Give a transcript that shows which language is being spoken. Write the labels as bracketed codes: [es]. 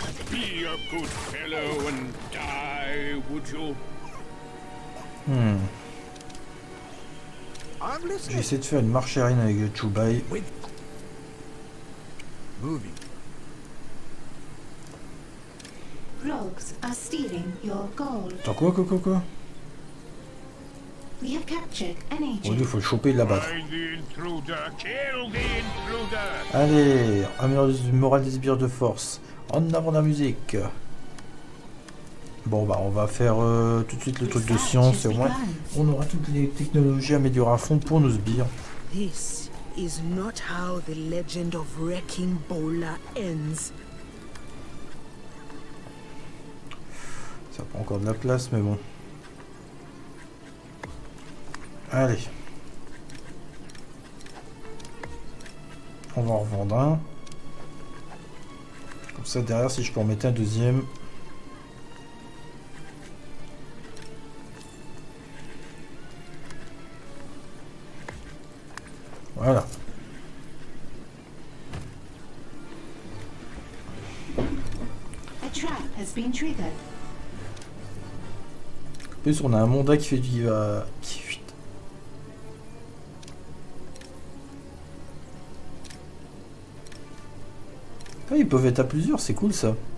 [en] Be a good fellow and die, would you? I'm listening. [fr] J'essaie de faire une marche aérienne avec Chubai. [en] Moving. Rogues are stealing your gold. [fr] T'as quoi, quoi? [en] We have captured an agent. [fr] Oh, lui, faut le choper là-bas. [en] Find the intruder. Kill the intruder. [fr] Allez, améliorer le moral des sbires de force. En avant la musique. Bon bah on va faire tout de suite le truc de science et au moins on aura toutes les technologies améliorées à fond pour nos sbires. [en] This is not how the legend of Wrecking Bola ends. [fr] Ça prend encore de la place mais bon. Allez. On va en revendre un. Ça derrière, si je peux en mettre un deuxième. Voilà. [en] A trap has been triggered. [fr] En plus, on a un mandat qui fait du va. Ils peuvent être à plusieurs, c'est cool ça.